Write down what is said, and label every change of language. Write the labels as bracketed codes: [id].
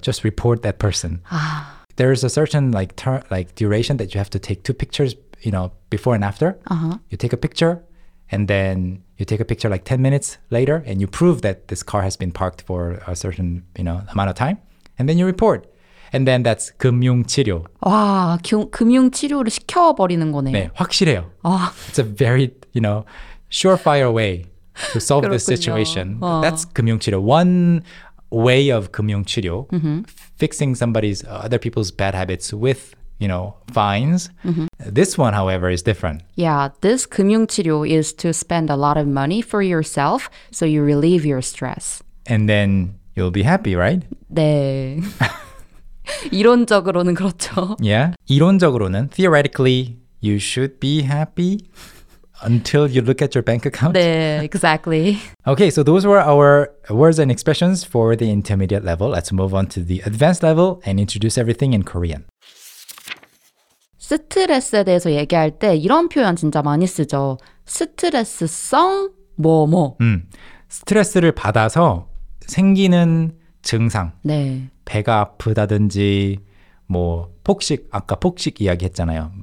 [en] Just report that person. There is a certain like duration that you have to take two pictures, you know, before and after. You take a picture and then you take a picture like 10 minutes later and you prove that this car has been parked for a certain, you know, amount of time. And then you report. And then that's 금융치료. [ko] 와, 금융치료를 시켜버리는 거네요. 네, 확실해요. 아. [en] It's a very, you know, surefire way to solve this situation. [ko] 와. [en] That's 금융치료. One way of 금융치료, fixing somebody's, other people's bad habits with, you know, fines. This one, however, is different. Yeah, this 금융치료 is to spend a lot of money for yourself so you relieve your stress. And then you'll be happy, right? [ko] 네. 이론적으로는 그렇죠. [en] Yeah, 이론적으로는 theoretically you should be happy until you look at your bank account. 네, exactly. Okay, so those were our words and expressions for the intermediate level. Let's move on to the advanced level and introduce everything in Korean. [ko] 스트레스에 대해서 얘기할 때 이런 표현 진짜 많이 쓰죠. 스트레스성 뭐뭐. 스트레스를 받아서 생기는 증상. 네. 배가 아프다든지 뭐 폭식, 아까 폭식 이야기했잖아요.